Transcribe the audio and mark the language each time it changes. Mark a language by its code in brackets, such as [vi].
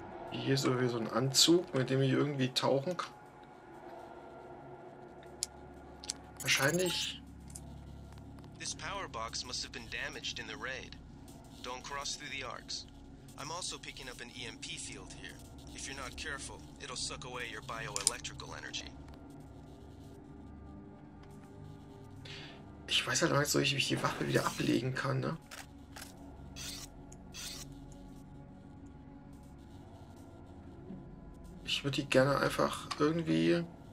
[de] Hier ist irgendwie so ein Anzug, mit dem ich irgendwie tauchen kann. Wahrscheinlich. [en] This power box must have been damaged in the raid. Don't cross through the arcs. I'm also picking up an EMP field here. If you're not careful, it'll suck away your bioelectrical energy. [de] Ich weiß halt nicht, ob ich die Waffe wieder ablegen kann, ne? Ich würde die gerne einfach irgendwie.